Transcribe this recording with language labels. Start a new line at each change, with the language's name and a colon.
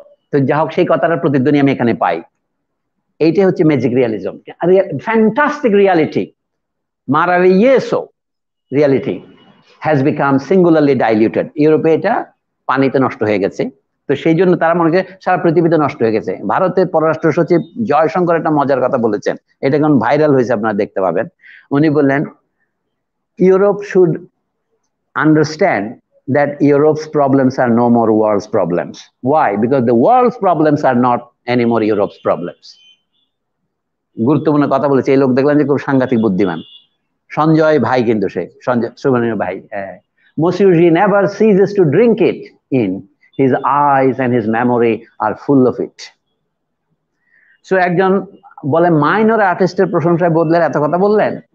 Bangla: তো যা হোক, সেই কথাটার প্রতিধ্বনি আমি এখানে পাই, এইটাই হচ্ছে magic realism, fantastic reality, মারাভিয়াসো reality
English: Has become singularly diluted.
Bangla: ইউরোপে এটা পানিতে নষ্ট হয়ে গেছে, তো সেই জন্য তারা মনে করে সারা পৃথিবীতে নষ্ট হয়ে গেছে। ভারতের পররাষ্ট্র সচিব জয়শঙ্কর একটা মজার কথা বলেছেন, এটা এখন ভাইরাল হয়েছে, আপনারা দেখতে পাবেন। উনি বললেন
English: Europe should understand that Europe's problems are no more world's problems. Why? Because the world's problems are not anymore Europe's problems.
Bangla: গুরুত্বপূর্ণ কথা বলেছে এই লোক, দেখলাম যে খুব সাংঘাতিক বুদ্ধিমান সঞ্জয় ভাই, কিন্তু সে সঞ্জয় সুবর্ণ ভাই, Mosiur
English: He never ceases to drink it in his eyes and his memory are full of it.
Bangla: So একজন বলে মাইনর আর্টিস্টের প্রশংসায় বোদলের এত কথা বললেন।